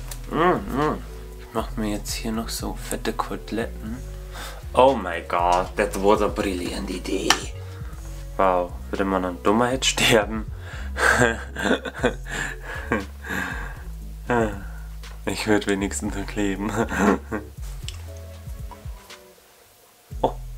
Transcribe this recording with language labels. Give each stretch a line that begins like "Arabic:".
German: Machen wir jetzt hier noch so fette Koteletten.
English: Oh my god, that was a brilliant idea.
German: Wow, würde man an Dummheit sterben? Ich würde wenigstens noch leben. Oh.